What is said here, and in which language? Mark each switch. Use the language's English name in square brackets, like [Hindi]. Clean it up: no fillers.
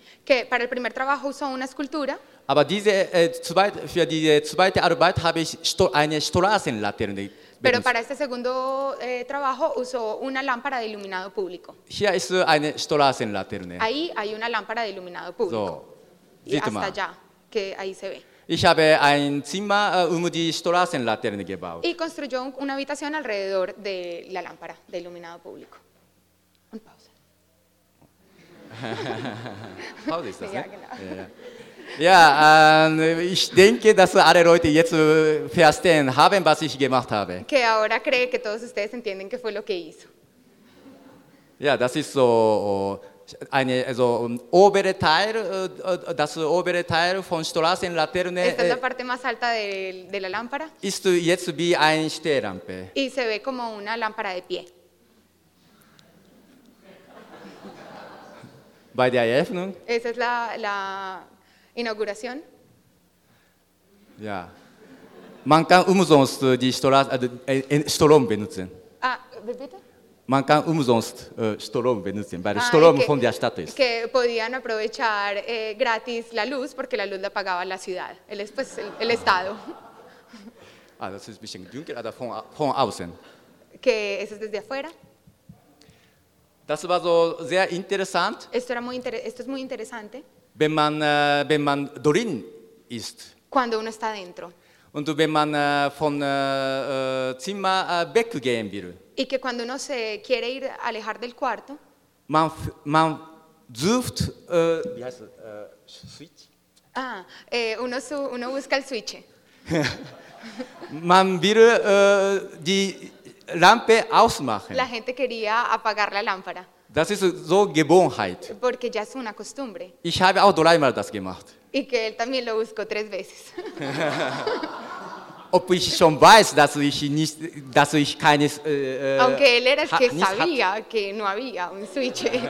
[Spanish] Que para el primer trabajo usó una escultura. [German] Aber diese, für die zweite Arbeit habe ich eine Straßenlaterne benutzt. [Spanish] Pero para este segundo trabajo usó una lámpara de iluminado público. [German] Hier ist eine Straßenlaterne. [Spanish] Ahí hay una lámpara de iluminado público. [German] So. [Spanish] Y hasta mal. Allá, que ahí se ve. [German] Ich habe ein Zimmer die Straßenlaterne gebaut. [Spanish] Y construyó una habitación alrededor de la lámpara de iluminado público. [German] Und Pause. Pause ist das, ja, ne? Genau. Ja, ja. Ja, ich denke, dass alle Leute jetzt verstehen haben, was ich gemacht habe. [Spanish] Que ahora cree que todos ustedes entienden qué fue lo que hizo. [German] Ja, das ist so... Eine, also obere Teil, das obere Teil von Straßenlaterne [Spanish] de la lámpara, [German] ist jetzt wie eine Stehlampe. [Spanish] Y se ve como una lámpara de pie. [German] Bei der Eröffnung? [Spanish] Esa es la inauguración. [German] Ja. Man kann umsonst die Strom benutzen. Ah, bitte? Man kann umsonst Strom benutzen, weil Strom von der Stadt ist. [Spanish] Que podían aprovechar gratis la luz, porque la luz la pagaba la ciudad, el Estado. [German] Ah, das ist ein bisschen dunkel, aber von außen. [Spanish] Que eso es desde afuera. [German] Das war so sehr interessant. [Spanish] Esto es muy interesante. [German] Wenn man drin ist. [Spanish] Cuando uno está dentro. [German] Und wenn man von Zimmer weggehen will. [Spanish] Y que cuando uno se quiere ir alejar del cuarto, [German] man sucht, wie heißt es, Switch? [Spanish] Ah, uno busca el Switch. [German] Man will die Lampe ausmachen. [Spanish] La gente quería apagar la lámpara. [German] Das ist so Gewohnheit. [Spanish] Porque ya es una costumbre. [German] Ich habe auch dreimal das gemacht. [Spanish] Y que él también lo buscó tres veces. [German] Ob ich schon weiß, dass ich keines... [Spanish] Aunque él era el que sabía que no había un switch.